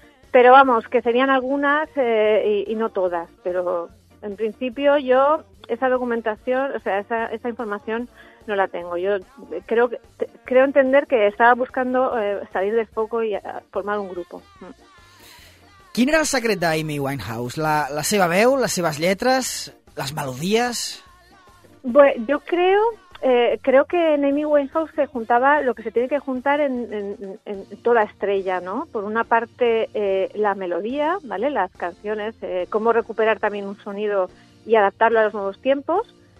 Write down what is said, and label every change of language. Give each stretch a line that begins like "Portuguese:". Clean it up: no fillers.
Spanish: Pero vamos, que serían algunas y no todas. Pero en principio yo esa documentación, o sea, esa información no la tengo. Yo creo entender que estaba buscando salir del foco y formar un grupo.
Catalan: Quin era el secret d'Amy Winehouse? La seva veu, les seves lletres, les melodies?
Spanish: Bueno, yo creo que en Amy Winehouse se juntaba lo que se tiene que juntar en toda estrella, ¿no? Por una parte, la melodía, ¿vale? Las canciones, cómo recuperar también un sonido y adaptarlo a los nuevos tiempos.